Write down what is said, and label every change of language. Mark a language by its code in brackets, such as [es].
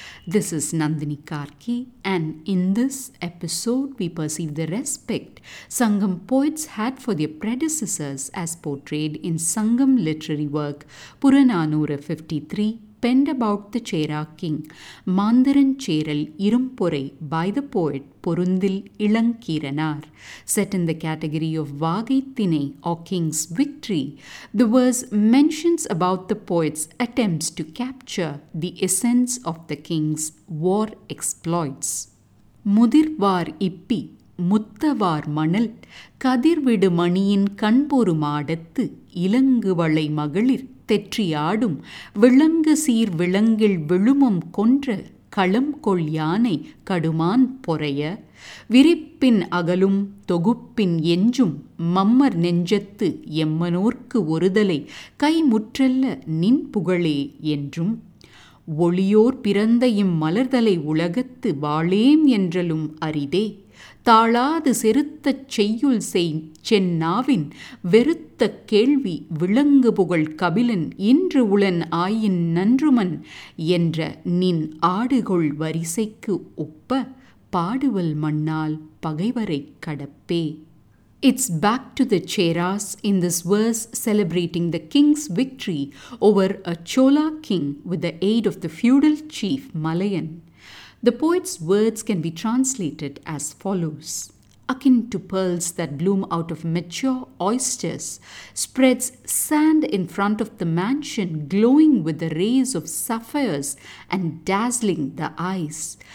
[en] This is Nandini Karki, and in this episode we perceive the respect Sangam poets had for their predecessors as portrayed in Sangam literary work Purananura 53, penned about the Chera king, Mandaran Cheral Irumpurai, by the poet Purundil Ilankiranar. Set in the category of Vagai Thinai, or King's Victory, the verse mentions about the poet's attempts to capture the essence of the king's war exploits. [ta] Mudirvar Ippi, Muttavar Manal, Kadirvidu Maniin Kanpuru Madattu, Ilangu Valai Magalir, தெற்றியாடும் விலங்கு சீர் விலங்கில் விழுமம் கொன்று களம் கொள் யானை கடுமான் பொறைய விரிப்பின் அகலும் தொகுப்பின் எஞ்சும் murmur நெஞ்சத்து எம்மனோர்க்கு ஒருதலை கைமுற்றல்ல நின் புகழே என்றும் ஒளியோர் பிறந்த இம்மலர்தலை உலகத்து வாழேம் என்றலும் அரிதே தாளாது செருத்த செய்யுள் செய்ன்னாவின் வெறுத்த கேள்வி விலங்கு புகழ் கபிலன் இன்று உளன் ஆயின் நன்றுமன் என்ற நின் ஆடுகொள் வரிசைக்கு ஒப்ப பாடுவல் மண்ணால் பகைவரை கடப்பே. [en] It's back to the Cheras in this verse celebrating the king's victory over a Chola king with the aid of the feudal chief Malayan. The poet's words can be translated as follows. Akin to pearls that bloom out of mature oysters, spreads sand in front of the mansion, glowing with the rays of sapphires and dazzling the eyes.